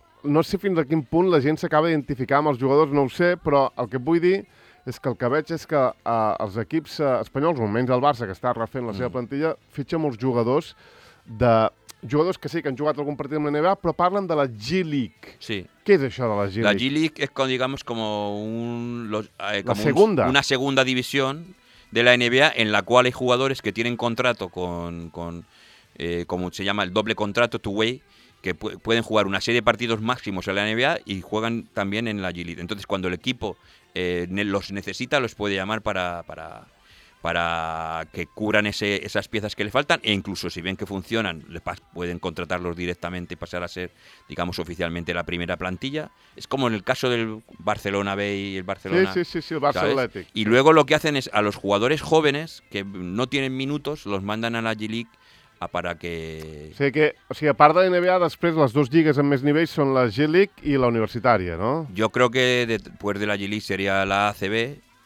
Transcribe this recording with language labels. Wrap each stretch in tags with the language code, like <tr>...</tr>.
<ca>No sé fins a quin punt la gent s'acaba d'identificar amb els jugadors, no ho sé, però el que vull dir... És que el que veig és que els equips espanyols, almenys el Barça, que està refent la seva plantilla, fitxa molts jugadors de... Jugadors que sí, que han jugat algun partit amb la NBA, però parlen de la G-League. Sí. Què és això de la G-League? La G-League és com, diguem, una segunda divisió de la NBA en la qual hi ha jugadors que tenen</ca> <es>contrato com se llama, el doble contrato, two-way, que pueden jugar una serie de partidos máximos en la NBA y juegan también en la G-League. Entonces, cuando el equipo los necesita, los puede llamar para que cubran esas piezas que le faltan, e incluso si ven que funcionan, pueden contratarlos directamente y pasar a ser, digamos, oficialmente la primera plantilla. Es como en el caso del Barcelona B y el Barcelona... Sí, sí, sí, sí, el Barça Athletic. Y luego lo que hacen es, a los jugadores jóvenes, que no tienen minutos, los mandan a la G-League, para que...</es> <ca>O sigui, a part de la NBA, després les dues lligues amb més nivells són la G-League i la universitària, no?</ca> <es>Yo creo que después de la G-League sería la ACB.</es>